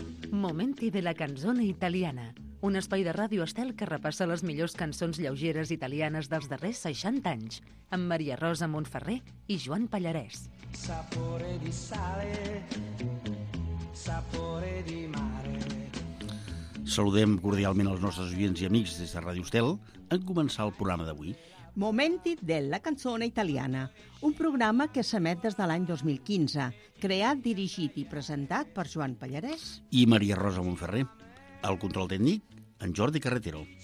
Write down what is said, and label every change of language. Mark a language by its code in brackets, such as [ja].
[ca] Momenti della canzone italiana, un espai de Ràdio Estel que repassa les millors cançons lleugeres italianes dels darrers 60 anys, amb Maria Rosa Montferrer i Joan Pallarès. [it] Sapore di sale, sapore di mare. [ca] Saludem cordialment els nostres oients i amics des de Ràdio Estel en començar el programa d'avui. Momenti della canzone italiana, un programa que s'emet des de l'any 2015, creat, dirigit i presentat per Joan Pallarès i Maria Rosa Montferrer. El control tècnic, en Jordi Carretero.